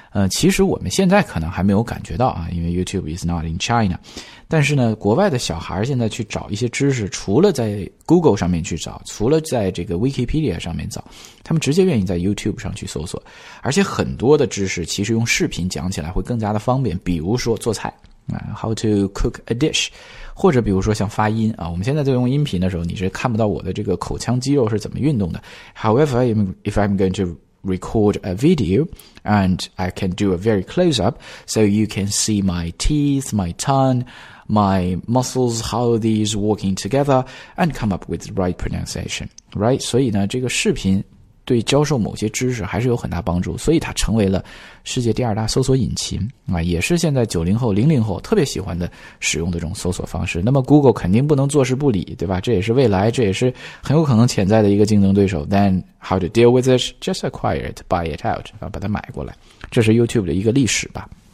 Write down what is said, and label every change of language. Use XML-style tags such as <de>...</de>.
<zh>其实我们现在可能还没有感觉到啊，因为</zh> <en>YouTube is not in China,</en> <zh>但是呢国外的小孩现在去找一些知识，除了在 Google 上面去找，除了在这个 Wikipedia 上面找，他们直接愿意在 YouTube 上去搜索。而且很多的知识其实用视频讲起来会更加的方便，比如说做菜</zh> <en>How to cook a dish,</en> <zh>或者比如说像发音啊，我们现在在用音频的时候你是看不到我的这个口腔肌肉是怎么运动的。</zh> <en>However, if I'm going to record a video and I can do a very close up so you can see my teeth, my tongue, my muscles, how these working together and come up with the right pronunciation, right?</en> <zh>所以呢这个视频对教授某些知识还是有很大帮助，所以它成为了世界第二大搜索引擎啊，也是现在90后00后特别喜欢的使用的这种搜索方式。那么 Google 肯定不能坐视不理，对吧？这也是未来，这也是很有可能潜在的一个竞争对手。</zh> <en>Then how to deal with it? Just acquire it, buy it out、啊、</en> <zh>把它买过来，这是 YouTube 的一个历史吧。</zh>